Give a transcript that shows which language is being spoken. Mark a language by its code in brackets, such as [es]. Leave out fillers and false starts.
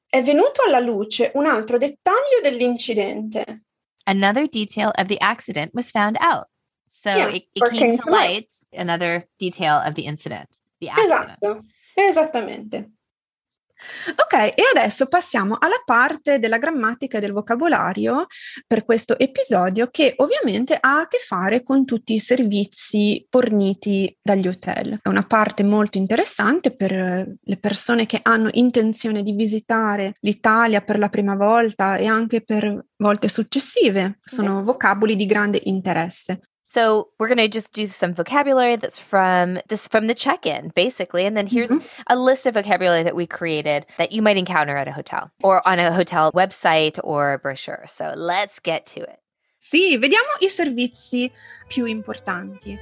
[it] È venuto alla luce un altro dettaglio dell'incidente. [en] Another detail of the accident was found out. So yeah, it came to light, another detail of the incident, the accident. [it] Esatto, esattamente. Ok, e adesso passiamo alla parte della grammatica e del vocabolario per questo episodio che ovviamente ha a che fare con tutti i servizi forniti dagli hotel. È una parte molto interessante per le persone che hanno intenzione di visitare l'Italia per la prima volta e anche per volte successive. Sono vocaboli di grande interesse. [en] So we're going to just do some vocabulary that's from this from the check-in, basically. And then here's a list of vocabulary that we created that you might encounter at a hotel or on a hotel website or brochure. So let's get to it. [it] Sì, vediamo i servizi più importanti.